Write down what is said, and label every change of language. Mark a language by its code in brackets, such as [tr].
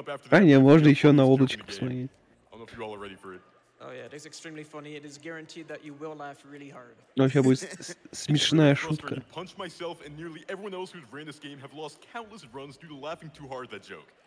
[ru] А не, можно еще на облачко посмотреть. [en] I don't know if you all are ready for it. Oh yeah, it is extremely funny. It is guaranteed that you will laugh really hard. [ru] Ну, вообще будет смешная шутка. [en] Punch myself and nearly everyone else who's ran this game have lost countless runs due to laughing too hard at that joke.